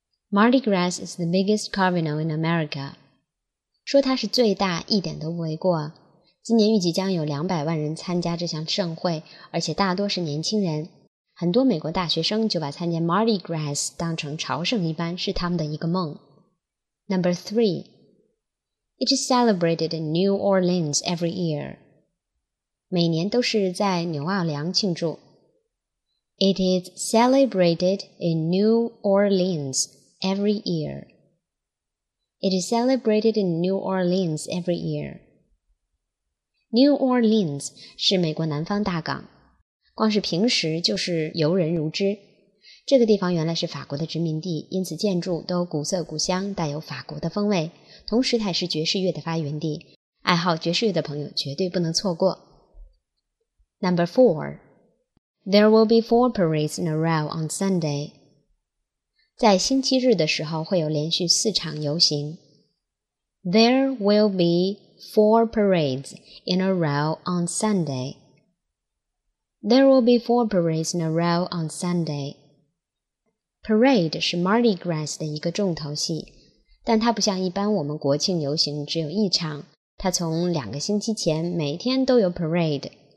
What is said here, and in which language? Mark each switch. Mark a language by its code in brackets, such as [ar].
[en] Mardi Gras is the biggest carnival in America. [zh] 说它是最大一点都不为过。今年预计将有200万人参加这项盛会，而且大多是年轻人。很多美国大学生就把参加 Mardi Gras 当成朝圣一般，是他们的一个梦。 [en] Number 3. It is celebrated in New Orleans every year. [zh] 每年都是在纽奥良庆祝。 [en] It is celebrated in New Orleans every year. It is celebrated in New Orleans every year. [zh] New Orleans 是美国南方大港，光是平时就是游人如织。这个地方原来是法国的殖民地，因此建筑都古色古香，带有法国的风味。同时，它也是爵士乐的发源地，爱好爵士乐的朋友绝对不能错过。 [en] Number 4. There will be 4 parades in a row on Sunday. [zh] 在星期日的时候会有连续四场游行。 [en] There will be 4 parades in a row on Sunday. There will be 4 parades in a row on Sunday. [zh] Parade 是 Mardi Gras 的一个重头戏，但它不像一般我们国庆游行只有一场，它从两个星期前每天都有 parade。